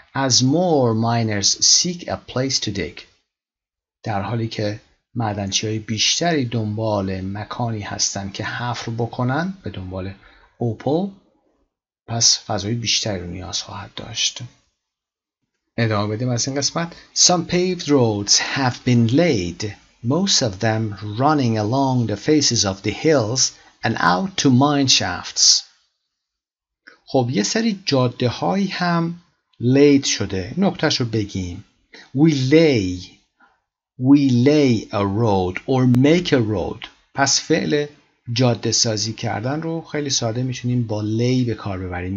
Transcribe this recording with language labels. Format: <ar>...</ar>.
<en>As more miners seek a place to dig،</en> <fa>در حالی که معدنچی های بیشتری دنبال مکانی هستن که حفر بکنن به دنبال اوپل، پس فضای بیشتری رو نیاز خواهد داشت. ادامه بدیم از این قسمت.</fa> <en>Some paved roads have been laid، most of them running along the faces of the hills and out to mine shafts.</en> <fa>خب یه سری جاده های هم laid شده. نکتهشو بگیم.</fa> <en>We lay a road or make a road.</en> <fa>پس فعل جاده سازی کردن رو خیلی ساده میتونیم با lay به کار ببریم.</fa>